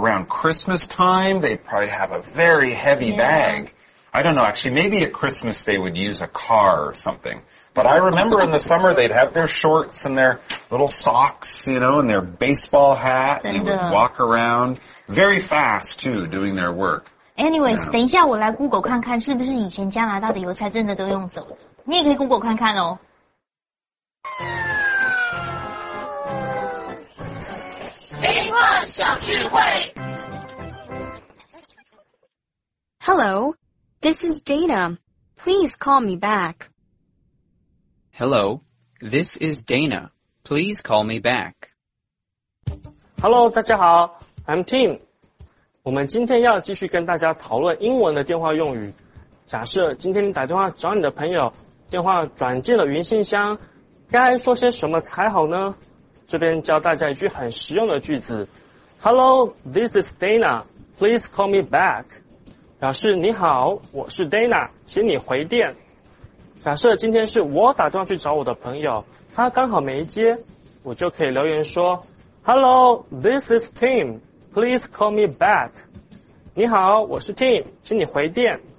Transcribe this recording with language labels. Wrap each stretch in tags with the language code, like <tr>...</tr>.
<en>Around Christmas time, they'd probably have a very heavy bag. I don't know. Actually, maybe at Christmas they would use a car or something. But I remember in the summer they'd have their shorts and their little socks, you know, and their baseball hat. And they would walk around very fast, too, doing their work. Anyways,</en> <zh>等一下我来 Google 看看是不是以前加拿大的邮差真的都用走了。你也可以 Google 看看哦。</zh> <en>Hello, this is Dana. Please call me back. Hello, this is Dana. Please call me back. Hello,</en> <zh>大家好</zh> <en>，I'm Tim.</en> <zh>我们今天要继续跟大家讨论英文的电话用语。假设今天你打电话找你的朋友。电话转进了云信箱，该说些什么才好呢？这边教大家一句很实用的句子</zh> <en>Hello, this is Dana, please call me back</en> <zh>表示你好我是 Dana, 请你回电假设今天是我打电话去找我的朋友他刚好没接我就可以留言说</zh> <en>Hello, this is Tim, please call me back</en> <zh>你好我是 Tim, 请你回电</zh>